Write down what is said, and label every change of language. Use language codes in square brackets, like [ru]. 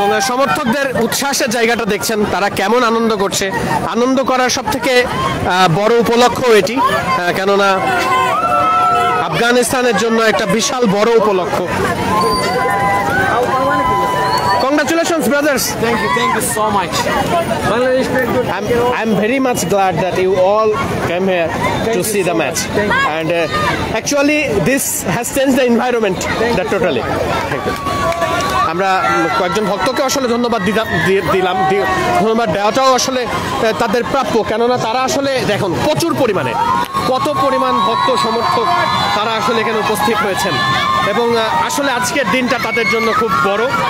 [bn] সমর্থকদের উচ্ছ্বাসের জায়গাটা দেখছেন, তারা কেমন আনন্দ করছে। আনন্দ করার সবথেকে বড় উপলক্ষ এটি, কেননা আফগানিস্তানের জন্য একটা বিশাল বড় উপলক্ষ। [en] Congratulations, brothers. Thank you so much. Bangladesh, thank you. I'm very much glad that you all came here to see the match. And actually, this has changed the environment totally. [bn] আমরা কয়েকজন ভক্তকে আসলে ধন্যবাদ দিলাম, ধন্যবাদ দেওয়াটাও আসলে তাদের প্রাপ্য, কেননা তারা আসলে দেখুন প্রচুর পরিমাণে কত পরিমাণ ভক্ত সমর্থক তারা আসলে এখানে উপস্থিত হয়েছেন, এবং আসলে আজকের দিনটা তাদের জন্য খুব বড়।